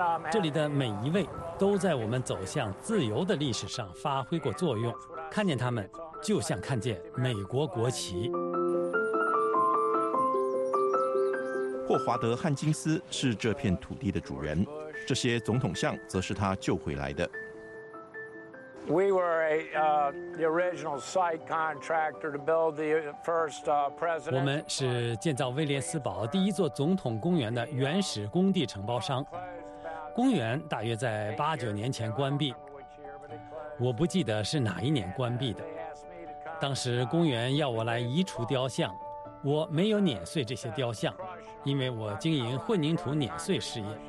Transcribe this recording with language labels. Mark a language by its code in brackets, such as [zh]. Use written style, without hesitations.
[zh] 这里的每一位都在我们走向自由的历史上发挥过作用，看见他们就像看见美国国旗。霍华德·汉金斯是这片土地的主人，这些总统像则是他救回来的。 [en] We were the original site contractor to build the first president. [zh] 我们是建造威廉斯堡第一座总统公园的原始工地承包商。公园大约在89年前关闭，我不记得是哪一年关闭的。当时公园要我来移除雕像，我没有碾碎这些雕像，因为我经营混凝土碾碎事业。